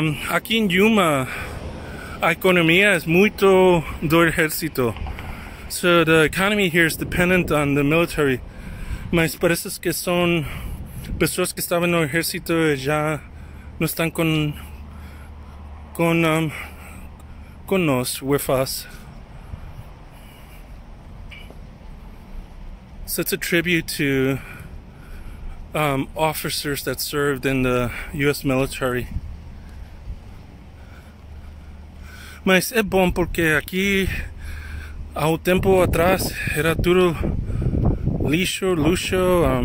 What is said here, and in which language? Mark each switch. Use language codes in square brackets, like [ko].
[pt] Aqui em Yuma, a economia é muito do exército. [en] So the economy here is dependent on the military. [pt] Mas parece que são pessoas que estavam no exército e já não estão com nós, [en] with us. So it's a tribute to officers that served in the US military. [pt] Mas é bom porque aqui, há um tempo atrás, era tudo lixo, luxo.